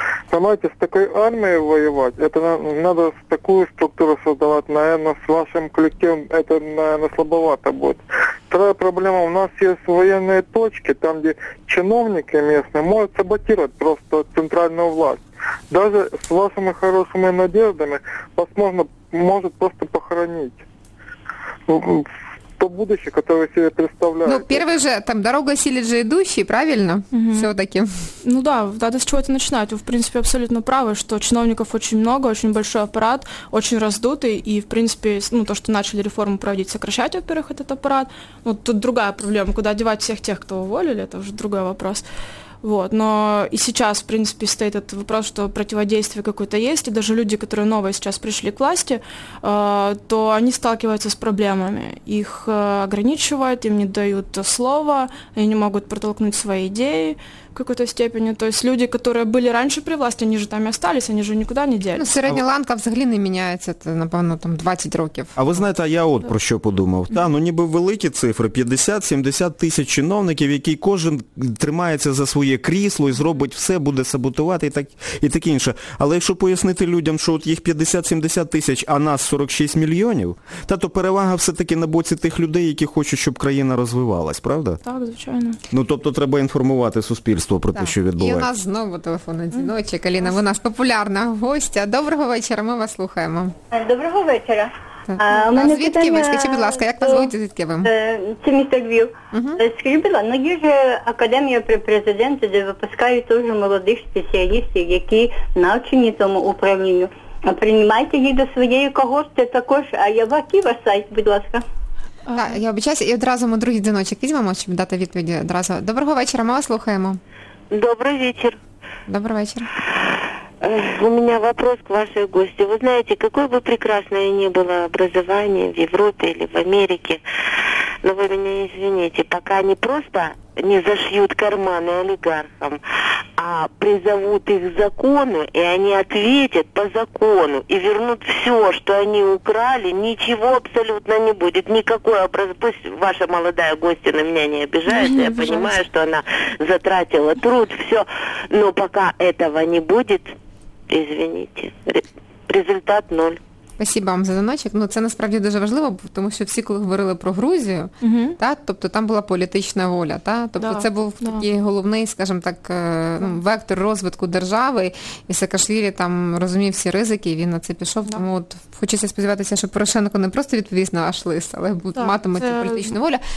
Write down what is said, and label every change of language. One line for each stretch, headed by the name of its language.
Ukrainian: Понимаете, з такою армією воювати, це треба з такою структурою створювати, мабуть, з вашим колективом, це, мабуть, слабовато буде. Вторая проблема, у нас є воєнні точки, там, де чиновники місцеві можуть саботувати просто центральну владу. Даже з вашими хорошими надіждами вас можуть просто похоронити.
Russian: То будущее, которое вы себе представляете. Ну, первый же, там, дорога осилит же идущий, правильно? Угу. Все-таки. Ну да, надо с чего-то начинать. Вы, в принципе, абсолютно правы, что чиновников очень много, очень большой аппарат, очень раздутый, и, в принципе, ну, то, что начали реформу проводить, сокращать, во-первых, этот аппарат. Ну, тут другая проблема, куда девать всех тех, кто уволили, это уже другой вопрос. Вот, но и сейчас, в принципе, стоит этот вопрос, что противодействие какое-то есть, и даже люди, которые новые сейчас пришли к власти, то они сталкиваются с проблемами. Их ограничивают, им не дают слова, они не могут протолкнуть свои идеи в какой-то степени. То есть люди, которые были раньше при власти, они же там и остались, они же никуда не делись. Ну, средняя ланка взагалі не меняется, это, напевно, там 20 років. А вы знаете,
Ukrainian: а я от про що подумав. Да, ну, ніби великі цифри, 50-70 тисяч чиновників, які кожен тримається за своє крісло і зробить все, буде саботувати і так інше. Але якщо пояснити людям, що от їх 50-70 тисяч, а нас 46 мільйонів, то перевага все-таки на боці тих людей, які хочуть, щоб країна розвивалась, правда? Так, звичайно. Ну, тобто треба інформувати суспільство про те, що відбувається. І у нас знову телефонний дзвіночок. Аліна, ви наш популярна гостя. Доброго вечора, ми вас слухаємо. Доброго вечора. Звідки ви? Скажіть, будь ласка, як вас звуть, звідки ви? Це місто Львів. Скажіть, будь ласка, є ж академія при президенті, де випускають теж молодих спеціалістів, які навчені тому управлінню. А приймайте її до своєї когорти також. А я ваків сайт, будь ласка. Так, я обіцяюся, і одразу ми другий дзвіночок візьмемо, щоб дати відповіді одразу. Доброго вечора, ми вас слухаємо. Добрий вечір. Добрий вечір.
Russian: У меня вопрос к вашей гости. Вы знаете, какое бы прекрасное ни было образование в Европе или в Америке, но вы меня извините, пока они просто не зашьют карманы олигархам, а призовут их к закону, и они ответят по закону и вернут все, что они украли, ничего абсолютно не будет. Никакое образование. Пусть ваша молодая гостья на меня не обижается, я понимаю, что она затратила труд, все, но пока этого не будет... Извините. Результат ноль. Спасибо вам за доночок.
Ukrainian: Ну, це насправді дуже важливо, тому що всі, коли говорили про Грузію, та, тобто там була політична воля. Та? Тобто це був такий головний, скажімо так, ну, вектор розвитку держави. І Саакашвілі там розумів всі ризики, і він на це пішов. Да. Тому от, хочеться сподіватися, що Порошенко не просто відповість на ваш лист, але матиме цю політичну волю.